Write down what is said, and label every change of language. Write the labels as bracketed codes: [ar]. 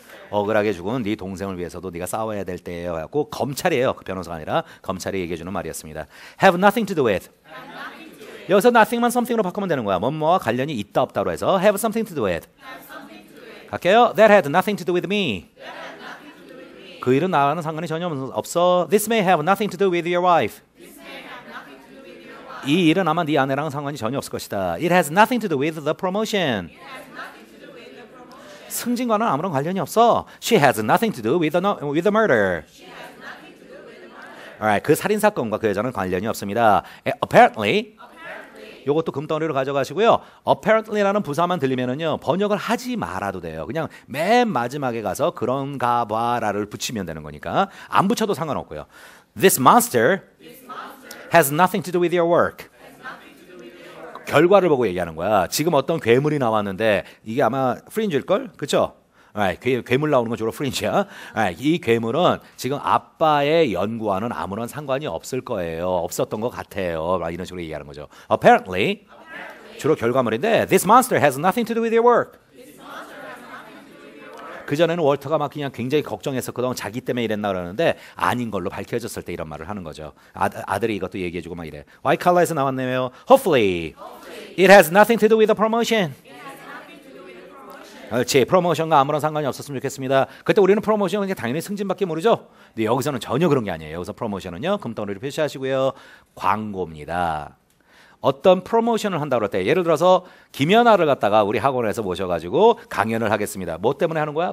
[ko] 억울하게 죽은 네 동생을 위해서도 네가 싸워야 될 때예요. 하고 검찰이에요. 그 변호사가 아니라 검찰이 얘기해 주는 말이었습니다. [en] Have nothing to do with. [ko] 여기서 nothing만 something으로 바꾸면 되는 거야. 뭐뭐와 관련이 있다 없다로 해서 [en] have something to do with. [ko] 갈게요. [en] That had nothing to do with me. That had nothing to do with me. [ko] 그 일은 나와는 상관이 전혀 없어. [en] This may have nothing to do with your wife. This may have nothing to do with your wife. [ko] 이 일은 아마 네 아내랑 상관이 전혀 없을 것이다. [en] It has nothing to do with the promotion. It has nothing to do with the promotion. [ko] 승진과는 아무런 관련이 없어. [en] She has nothing to do with the murder. She has nothing to do with the murder. [ko] Alright, 그 살인 사건과 그 여자는 관련이 없습니다. Apparently. 요것도 금덩어리로 가져가시고요. Apparently라는 부사만 들리면은요 번역을 하지 말아도 돼요. 그냥 맨 마지막에 가서 그런가 봐라를 붙이면 되는 거니까 안 붙여도 상관없고요. [en] This monster has nothing to do with your work. Has nothing to do with your work. [ko] 결과를 보고 얘기하는 거야. 지금 어떤 괴물이 나왔는데 이게 아마 프린지일걸? 그렇죠? 괴물 나오는 건 주로 프린지야. 이 괴물은 지금 아빠의 연구와는 아무런 상관이 없을 거예요. 없었던 것 같아요. 막 이런 식으로 얘기하는 거죠. Apparently, 주로 결과물인데 [en] This monster has nothing to do with your work. [ko] 그전에는 월터가 막 그냥 굉장히 걱정했었거든. 자기 때문에 이랬나 그러는데 아닌 걸로 밝혀졌을 때 이런 말을 하는 거죠. 아들이 이것도 얘기해주고 막 이래. White collar에서 나왔네요. [en] Hopefully, it has nothing to do with the promotion. [ko] 그렇지. 프로모션과 아무런 상관이 없었으면 좋겠습니다. 그때 우리는 프로모션은 당연히 승진밖에 모르죠. 근데 여기서는 전혀 그런 게 아니에요. 여기서 프로모션은요. 금덩어리를 표시하시고요. 광고입니다. 어떤 프로모션을 한다고 할 때 예를 들어서 김연아를 갖다가 우리 학원에서 모셔가지고 강연을 하겠습니다. 뭐 때문에 하는 거야?